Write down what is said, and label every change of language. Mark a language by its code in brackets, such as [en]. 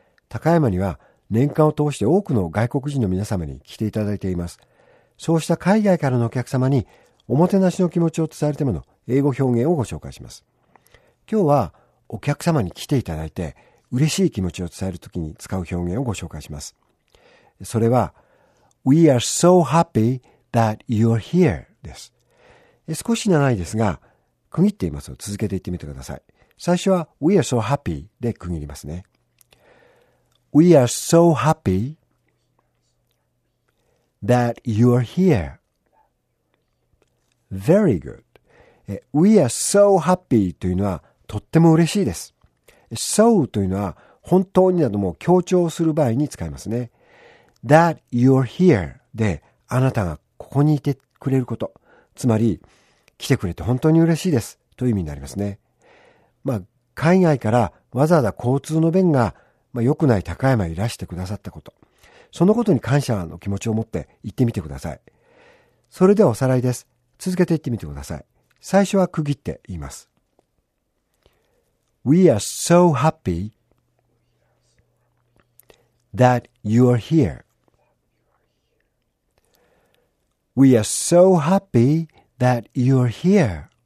[ja] 高山には年間を通して多くの外国人の皆様に来ていただいています。そうした海外からのお客様におもてなしの気持ちを伝えるための英語表現をご紹介します。今日はお客様に来ていただいて嬉しい気持ちを伝えるときに使う表現をご紹介します。 [en] それは We are so happy that you're here です。 [ja] 少し長いですが区切っていますので続けていってみてください。最初は [en] We are so happy [ja] で区切りますね。 [en] We are so happy that you're here. Very good. We are so happy [ja] というのはとっても嬉しいです。 So というのは本当になども強調する場合に使いますね。 [en] That you're here [ja] であなたがここにいてくれること。つまり来てくれて本当に嬉しいですという意味になりますね。まあ海外からわざわざ交通の便が良くない高山へいらしてくださったこと。そのことに感謝の気持ちを持って行ってみてください。それではおさらいです。続けて行ってみてください。最初は区切って言います。 [en] We are so happy that you are here. We are so happy that you are here.